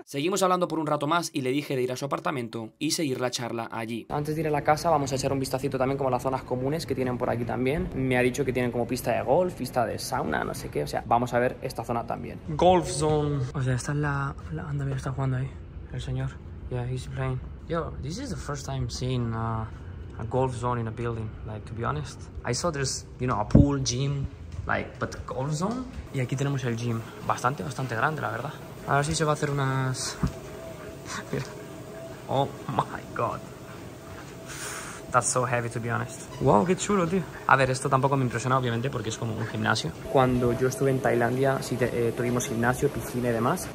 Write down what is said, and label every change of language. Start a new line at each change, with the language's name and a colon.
Spanish: Seguimos hablando por un rato más y le dije de ir a su apartamento y seguir la charla allí. Antes de ir a la casa vamos a echar un vistacito también como a las zonas comunes que tienen por aquí también. Me ha dicho que tienen como pista de golf, pista de sauna, no sé qué. O sea, vamos a ver esta zona también.
English: Golf zone.
Spanish: O sea, esta es la anda, mira, está jugando ahí el señor.
English: Yeah, he's playing. Yo, this is the first time seeing a golf zone in a building. Like, to be honest, I saw there's, you know, a pool, gym. Like, but golf zone.
Spanish: Y aquí tenemos el gym. Bastante, bastante grande, la verdad. A ver si se va a hacer unas... Mira.
English: Oh my god. That's so heavy, to be honest. Wow,
Spanish: qué chulo, tío. A ver, esto tampoco me impresiona, obviamente, porque es como un gimnasio. Cuando yo estuve en Tailandia, sí tuvimos gimnasio, piscina y demás.